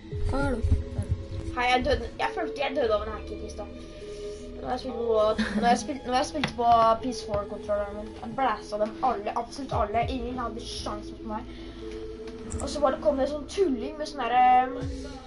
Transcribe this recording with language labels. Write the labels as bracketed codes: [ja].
[en] Hi, I'm doing. I forget to do an activity stuff. [no] Nå har jeg spilt på PS4-kontrolleren min. Jeg blæsa dem alle, absolutt alle. Ingen hadde sjans mot meg. Og så bare kom det en sånn tulling med sånn der...